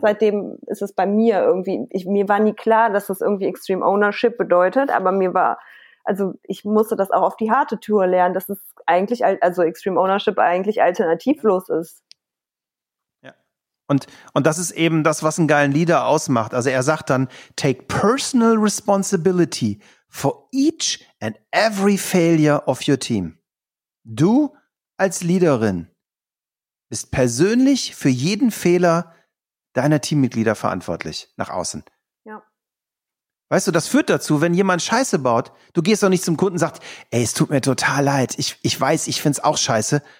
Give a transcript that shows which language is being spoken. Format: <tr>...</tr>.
<de>Seitdem ist es bei mir irgendwie, mir war nie klar, dass das irgendwie Extreme Ownership bedeutet, aber mir war, also ich musste das auch auf die harte Tour lernen, dass es eigentlich, also Extreme Ownership eigentlich alternativlos ist. Ja. Und das ist eben das, was einen geilen Leader ausmacht. Also er sagt dann,</de> <en>take personal responsibility for each and every failure of your team.</en> <de>Du als Leaderin bist persönlich für jeden Fehler deiner Teammitglieder verantwortlich nach außen. Ja. Weißt du, das führt dazu, wenn jemand Scheiße baut, du gehst doch nicht zum Kunden und sagst, ey, es tut mir total leid, ich weiß, ich find's auch scheiße.</de>